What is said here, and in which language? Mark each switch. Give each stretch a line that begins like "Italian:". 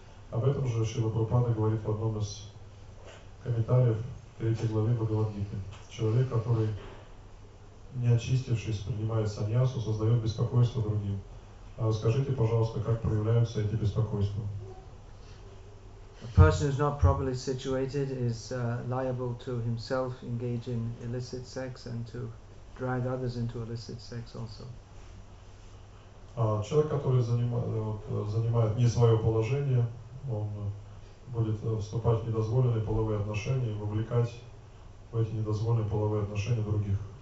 Russian: Об этом же Шрила Прабхупада говорит в одном из комментариев третьей главы Бхагавад Гиты. Человек, который, не очистившись, принимает саньясу, создает беспокойство другим. Скажите, пожалуйста, как проявляются эти беспокойства?
English: A person who is not properly situated is liable to himself engage in illicit sex and to drag others into illicit sex also.
Russian: Человек, который занимает не свое положение, он будет вступать в недозволенные половые отношения и вовлекать в эти недозволенные половые отношения других.